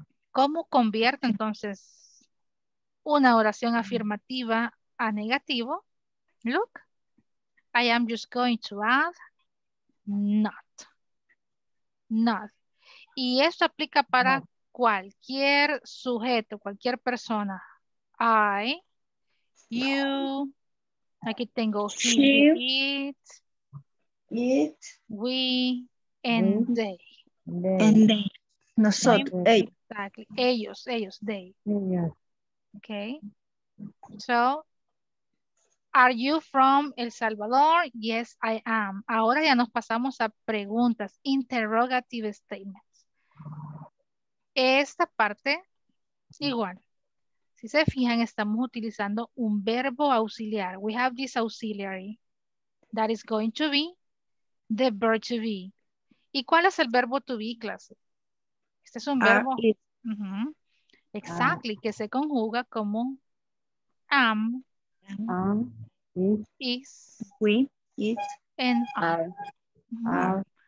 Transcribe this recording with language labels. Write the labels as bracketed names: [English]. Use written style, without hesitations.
[Spanish] ¿Cómo convierte entonces una oración afirmativa a negativo? [English] Look, I am just going to add not. Not. [Spanish] Y esto aplica para cualquier sujeto, cualquier persona. [English] I, you, [Spanish] aquí tengo [English] he, it, it, we, and they. And they. Nosotros. Exactly. Ellos, ellos, they. Okay. So, are you from El Salvador? Yes, I am. [Spanish] Ahora ya nos pasamos a preguntas, [English] interrogative statement. [Spanish] Esta parte, igual, si se fijan, estamos utilizando un verbo auxiliar. [English] We have this auxiliary that is going to be the verb to be. [Spanish] ¿Y cuál es el verbo to be, clase? Este es un verbo. Exactly, que se conjuga como am, is, [English] we, it, and are.